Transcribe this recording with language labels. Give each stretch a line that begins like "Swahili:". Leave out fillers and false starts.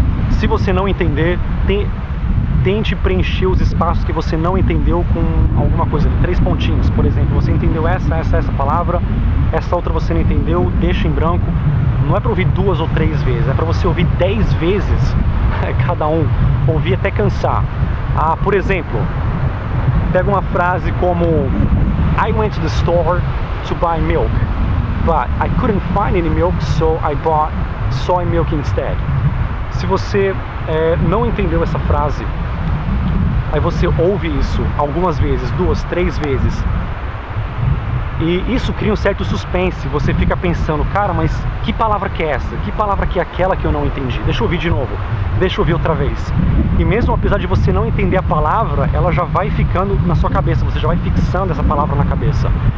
Portuguese: Se você não entender, tente preencher os espaços que você não entendeu com alguma coisa, três pontinhos, por exemplo. Você entendeu essa palavra, essa outra você não entendeu, deixa em branco. Não é para ouvir duas ou três vezes, é para você ouvir 10 vezes cada um, ouvir até cansar. Por exemplo, pega uma frase como
English: I went to the store to buy milk, but I couldn't find any milk, so I bought soy milk instead.
Portuguese: Se você não entendeu essa frase, aí você ouve isso algumas vezes, duas, três vezes, e isso cria um certo suspense. Você fica pensando, cara, mas que palavra que é essa? Que palavra que é aquela que eu não entendi? Deixa eu ouvir de novo, deixa eu ouvir outra vez. E mesmo apesar de você não entender a palavra, ela já vai ficando na sua cabeça, você já vai fixando essa palavra na cabeça.